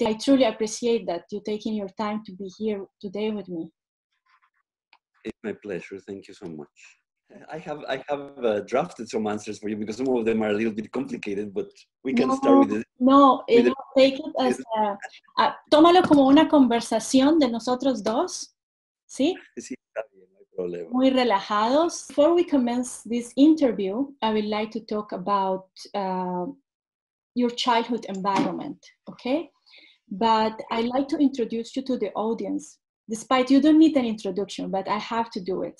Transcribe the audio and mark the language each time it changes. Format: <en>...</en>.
<en>I truly appreciate that you taking your time to be here today with me. It's my pleasure. Thank you so much. I have drafted some answers for you because some of them are a little bit complicated, but we can start with it. No, take it as</en> <es>tómalo como una conversación de nosotros dos, ¿sí? Sí, está bien, no hay problema. Muy relajados.</es> <en>Before we commence this interview, I would like to talk about your childhood environment, okay? But I'd like to introduce you to the audience. Despite you don't need an introduction, but I have to do it.</en>